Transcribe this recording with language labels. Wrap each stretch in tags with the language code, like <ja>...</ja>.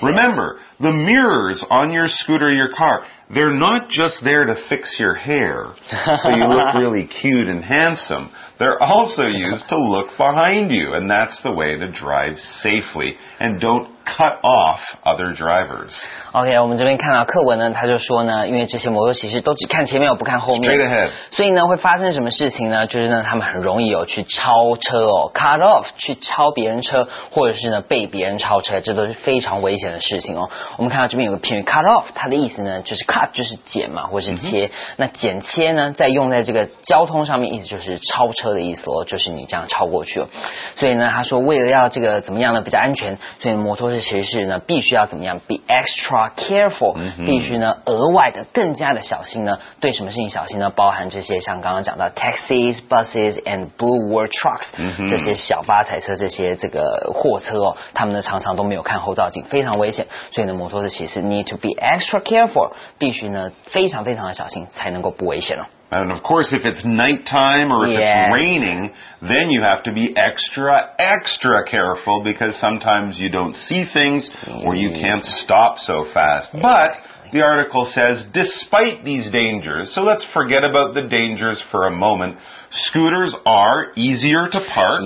<en>Remember, the mirrors on your scooter, your car, they're not just there to fix your hair so you look really cute and handsome. They're also used to look behind you, and that's the way to drive safely. And don't cut off other drivers.</en> <zh>OK, 我们这边看到课文呢，他就说呢，因为这些摩托骑士都只看前面，我不看后面。</zh> <en>Straight ahead.</en> <zh>所以呢，会发生什么事情呢？就是呢，他们很容易有去超车哦 ，cut off 去超别人车，或者是呢被别人超车，这都是非常危险的事情哦。我们看到这边有个片语 cut off， 它的意思呢就是 cut 就是剪嘛，或是切。 Mm-hmm. 那剪切呢，在用在这个交通上面，意思就是超车的意思哦，就是你这样超过去了。所以呢，他说为了要这个怎么样呢比较安全，所以摩托车骑士呢必须要怎么样 ？</zh> <en>Be extra careful，、 mm-hmm.</en> <zh>必须呢额外的更加的小心呢。对什么事情小心呢？包含这些像刚刚讲到</zh> <en>taxis、buses and blue work trucks、 mm-hmm.</en> <zh>这些小发财车、这些这个货车哦，他们呢常常都没有看后照镜，非常危险。所以呢，摩托车骑士</zh> <en>need to be extra careful，</en> <zh>必须呢非常非常的小心，才能够不危险哦。</zh> <en>And of course, if it's nighttime or if、 yes. it's raining, then you have to be extra, extra careful because sometimes you don't see things or you can't stop so fast.、 Yes. But the article says, despite these dangers, so let's forget about the dangers for a moment, scooters are easier to park.</en>